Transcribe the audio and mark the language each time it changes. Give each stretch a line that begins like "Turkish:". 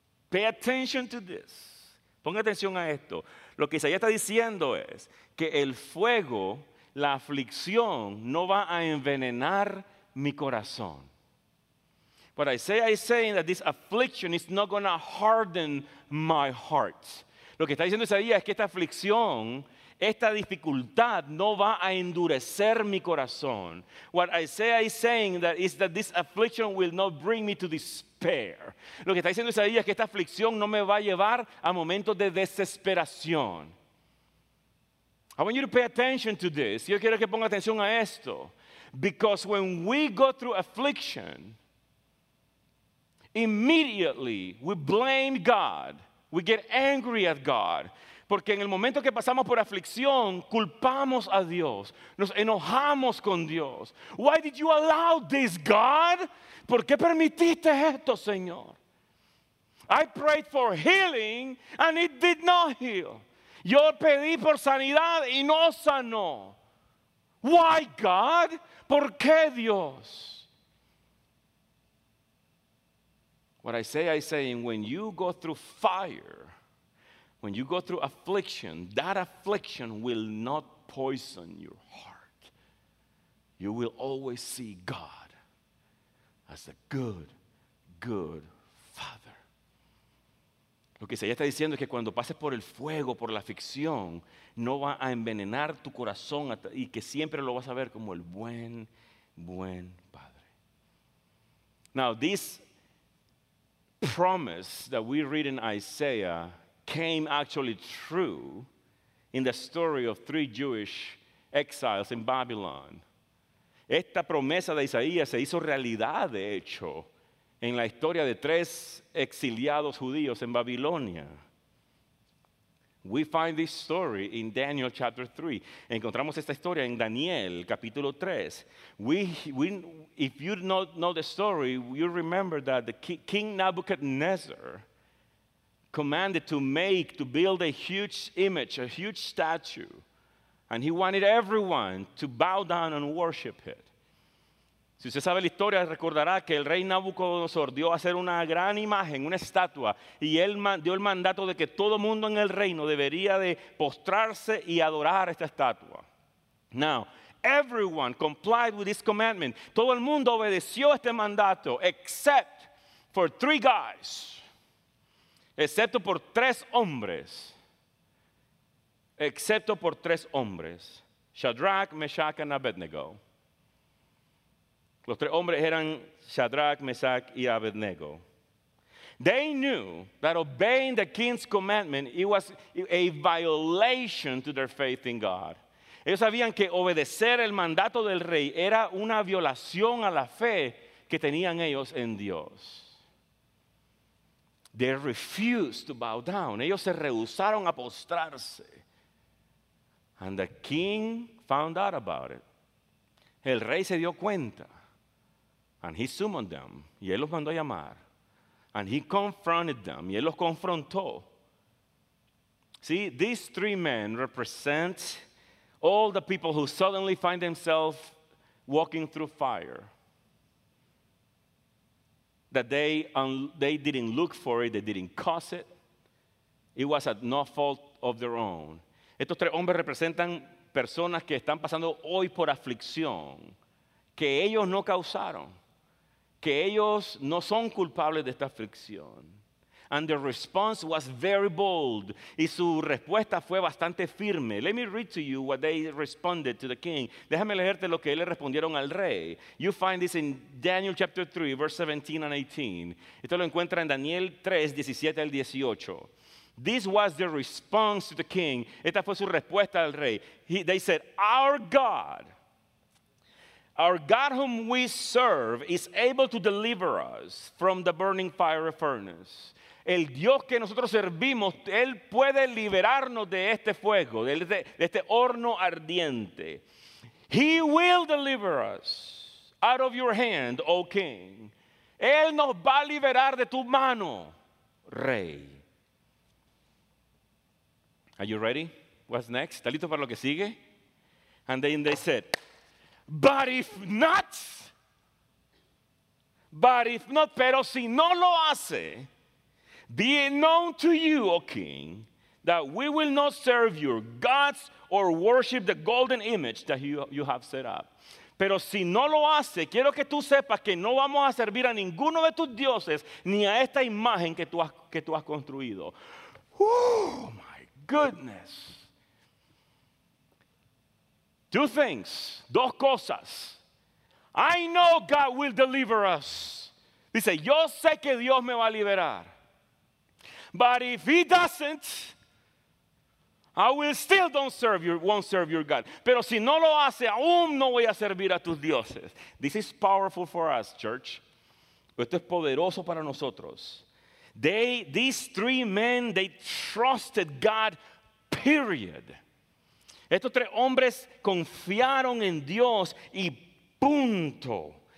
English: Pay attention to this.
Spanish: Ponga atención a esto. Lo que Isaías está diciendo es que el fuego, la aflicción, no va a envenenar mi corazón.
English: What Isaiah is saying that this affliction is not going to harden my heart.
Spanish: Lo que está diciendo Isaías es que esta aflicción, esta dificultad no va a endurecer mi corazón.
English: What Isaiah is saying that is that this affliction will not bring me to despair.
Spanish: Lo que está diciendo Isaías es que esta aflicción no me va a llevar a momentos de desesperación.
English: I want you to pay attention to this.
Spanish: Yo quiero que ponga atención a esto.
English: Because when we go through affliction, immediately we blame God. We get angry at God.
Spanish: Porque en el momento que pasamos por aflicción, culpamos a Dios. Nos enojamos con Dios.
English: Why did you allow this, God?
Spanish: ¿Por qué permitiste esto, Señor?
English: I prayed for healing and it did not heal.
Spanish: Yo pedí por sanidad y no sanó.
English: Why, God?
Spanish: ¿Por qué, Dios?
English: What Isaiah is saying, when you go through fire, when you go through affliction, that affliction will not poison your heart. You will always see God as a good, good Father.
Spanish: Lo que Isaías está diciendo es que cuando pases por el fuego, por la aflicción, no va a envenenar tu corazón y que siempre lo vas a ver como el buen, buen Padre.
English: Now, this promise that we read in Isaiah came actually true in the story of three Jewish exiles in Babylon.
Spanish: Esta promesa de Isaías se hizo realidad, de hecho, en la historia de tres exiliados judíos en Babilonia.
English: We find this story in Daniel chapter 3.
Spanish: Encontramos esta historia en Daniel capítulo 3.
English: If you don't know the story, you remember that the King Nebuchadnezzar commanded to build a huge image, a huge statue, and he wanted everyone to bow down and worship it.
Spanish: Si usted sabe la historia, recordará que el rey Nabucodonosor dio a hacer una gran imagen, una estatua, y él dio el mandato de que todo mundo en el reino debería de postrarse y adorar esta estatua.
English: Now, everyone complied with this commandment.
Spanish: Todo el mundo obedeció este mandato,
English: except for three guys.
Spanish: Excepto por tres hombres. Excepto por tres hombres. Shadrach, Meshach, and Abednego. Los tres hombres eran Shadrach, Meshach, y Abednego.
English: They knew that obeying the king's commandment, it was a violation to their faith in God.
Spanish: Ellos sabían que obedecer el mandato del rey era una violación a la fe que tenían ellos en Dios.
English: They refused to bow down.
Spanish: Ellos se rehusaron a postrarse.
English: And the king found out about it.
Spanish: El rey se dio cuenta.
English: And he summoned them.
Spanish: Y él los mandó a llamar.
English: And he confronted them.
Spanish: Y él los confrontó.
English: See, these three men represent all the people who suddenly find themselves walking through fire. That they didn't look for it, they didn't cause it. It was at no fault of their own.
Spanish: Estos tres hombres representan personas que están pasando hoy por aflicción, que ellos no causaron, que ellos no son culpables de esta aflicción.
English: and their response was very bold.
Spanish: Y su respuesta fue bastante firme.
English: Let me read to you what they responded to the king.
Spanish: Déjame leerte lo que le respondieron al rey.
English: You find this in Daniel chapter 3, verse 17 and 18.
Spanish: Esto lo encuentra en Daniel 3, 17 al 18.
English: This was their response to the king.
Spanish: Esta fue su respuesta al rey.
English: They said, our God whom we serve is able to deliver us from the burning fiery furnace.
Spanish: El Dios que nosotros servimos, Él puede liberarnos de este fuego, de este horno ardiente.
English: He will deliver us out of your hand, O king.
Spanish: Él nos va a liberar de tu mano, rey.
English: Are you ready? What's next?
Spanish: ¿Está listo para lo que sigue?
English: And then they said, but if not,
Spanish: pero si no lo hace,
English: be it known to you, O king, that we will not serve your gods or worship the golden image that you have set up.
Spanish: Pero si no lo hace, quiero que tú sepas que no vamos a servir a ninguno de tus dioses ni a esta imagen que tú has construido.
English: Oh, my goodness. Two things,
Spanish: dos cosas.
English: I know God will deliver us.
Spanish: Dice, yo sé que Dios me va a liberar.
English: But if he doesn't, I will still won't serve your God.
Spanish: Pero si no lo hace, aún no voy a servir a tus dioses.
English: This is powerful for us, church.
Spanish: Esto es poderoso para nosotros.
English: These three men, they trusted God, period.
Spanish: Estos tres hombres confiaron en Dios y punto.